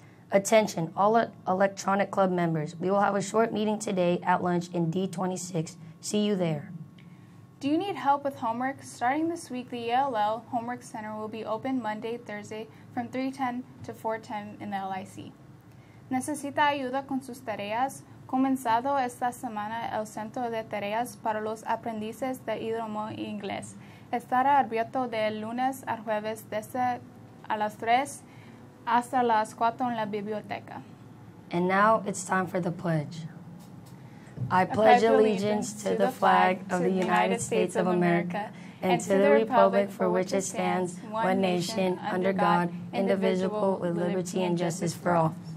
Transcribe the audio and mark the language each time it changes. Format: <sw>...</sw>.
<en>Attention, all electronic club members. We will have a short meeting today at lunch in D26. See you there. Do you need help with homework? Starting this week, the ELL Homework Center will be open Monday, Thursday from 3:10 to 4:10 in the LIC.</en> <es>¿Necesita ayuda con sus tareas? Comenzado esta semana el Centro de Tareas para los Aprendices de Idioma Inglés. Estará abierto de lunes a jueves desde a las 3 hasta las 4 en la biblioteca.</es> <en>And now it's time for the pledge. I pledge allegiance to the flag of the United States of America and to the republic for which it stands, one nation, under God, indivisible, with liberty and justice for all.</en>